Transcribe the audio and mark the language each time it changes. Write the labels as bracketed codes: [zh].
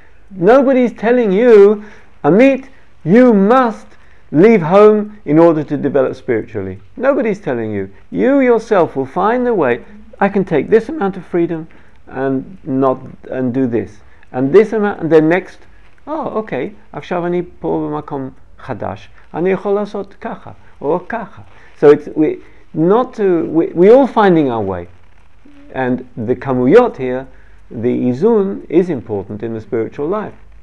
[en] Nobody's telling you, Amit, you must leave home in order to develop spiritually. Nobody's telling you. You yourself will find the way. I can take this amount of freedom and do this. And this amount, and then next, [he] עכשיו אני פה במקום חדש. אני יכול לעשות ככה או ככה. [en] So it's we're all finding our way. And the כמויות here, the איזון, is important in the spiritual life.